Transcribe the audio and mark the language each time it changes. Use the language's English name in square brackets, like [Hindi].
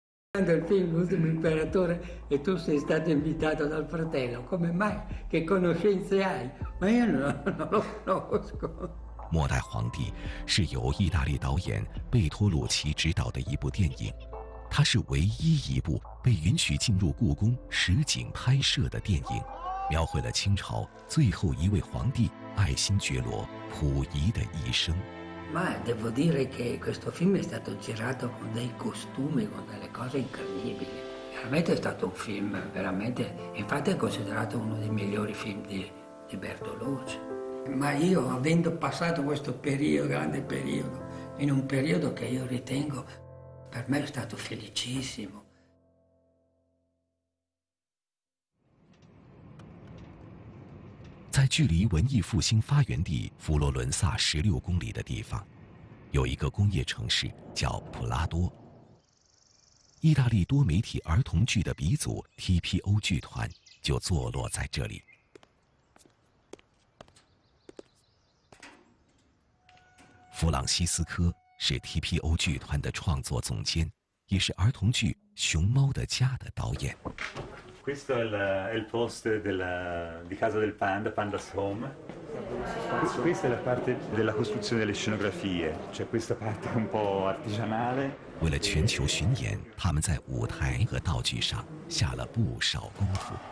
[Italian] Quando il film L'ultimo imperatore e tu sei stato invitato dal fratello, come mai? Che conoscenze hai? Ma io non lo conosco. [Chinese] 末代皇帝是由意大利导演贝托鲁奇执导的一部电影，它是唯一一部被允许进入故宫实景拍摄的电影，描绘了清朝最后一位皇帝爱新觉罗溥仪的一生。 [Italian] Ma devo dire che questo film è stato girato con dei costumi, con delle cose incredibili. Veramente è stato un film, veramente, infatti è considerato uno dei migliori film di Bertolucci. Ma io, avendo passato questo periodo, grande periodo, in un periodo che io ritengo, per me è stato felicissimo. [Chinese] 在距离文艺复兴发源地佛罗伦萨16公里的地方，有一个工业城市叫普拉多。意大利多媒体儿童剧的鼻祖 TPO 剧团就坐落在这里。弗朗西斯科是 TPO 剧团的创作总监，也是儿童剧《熊猫的家》的导演。 [Italian] Questo è il post di Casa del Panda, Panda's Home. Questa è la parte della costruzione delle scenografie, cioè questa parte un po' artigianale. [Chinese] 为了全球巡演，他们在舞台和道具上下了不少功夫。